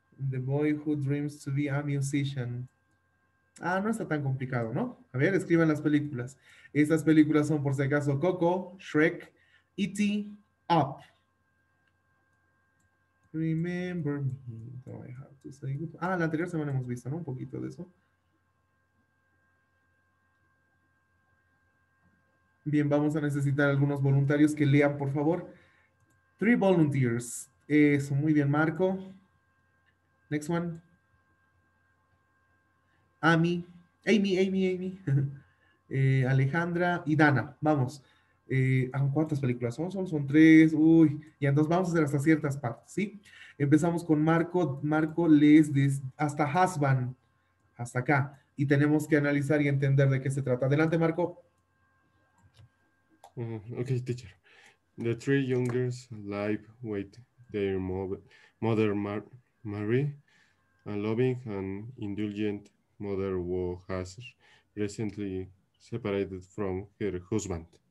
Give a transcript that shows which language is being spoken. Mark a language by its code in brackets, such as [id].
[en] The boy who dreams to be a musician. [es] Ah, no está tan complicado, ¿no? A ver, escriban las películas. Estas películas son, por si acaso, Coco, Shrek, E.T., Up. [en] Remember me. Do I have to say goodbye? [es] Ah, la anterior semana hemos visto, ¿no? Un poquito de eso. Bien, vamos a necesitar algunos voluntarios que lean, por favor. [en] Three volunteers. [es] Eso, muy bien, [en] Marco. Next one. [es] Amy. Alejandra y Dana. Vamos. ¿Cuántas películas son? Son tres. Uy, ya entonces vamos a hacer hasta ciertas partes, ¿sí? Empezamos con Marco. Marco lees hasta Husband, hasta acá. Y tenemos que analizar y entender de qué se trata. Adelante, Marco. [en] Ok, teacher. The three youngers live with their mother Marie, a loving and indulgent mother who has recently separated from her husband.